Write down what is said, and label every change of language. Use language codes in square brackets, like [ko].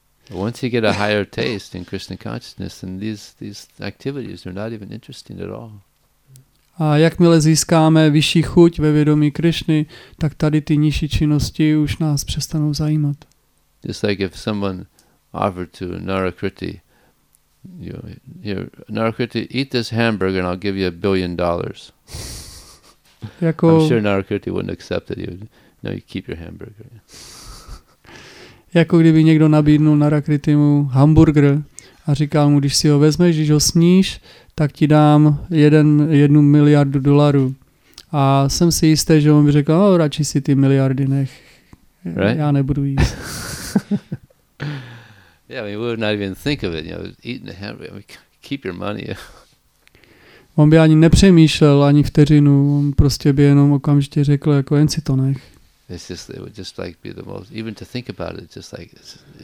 [en] Once you get a higher taste in Krishna consciousness, then these activities are not even interesting at all. [cs] A jakmile získáme vyšší chuť ve vědomí Krišny, tak tady ty nižší činnosti už nás přestanou zajímat. [en] Just like if someone offered to Narakriti, Narakriti, eat this hamburger and I'll give you $1 billion. [cs] Jako, [en] I'm sure Narakriti wouldn't accept it. No, you keep your hamburger. [cs] Jako kdyby někdo nabídnul Narakritimu hamburger a říkal mu, když si ho vezmeš, když ho sníš, tak ti dám jednu miliardu dolarů. A jsem si jistý, že on by řekl, no, radši si ty miliardy nech. [en] Right? [cs] Já nebudu jíst. [en] Yeah, I mean, we would not even think of it. You know, eating a hamburger, I mean, keep your money. [cs] On by ani nepřemýšlel ani vteřinu, on prostě by jenom okamžitě řekl, jako jen si to nech. [en] It's just, it would just like be the most, even to think about it, just like this.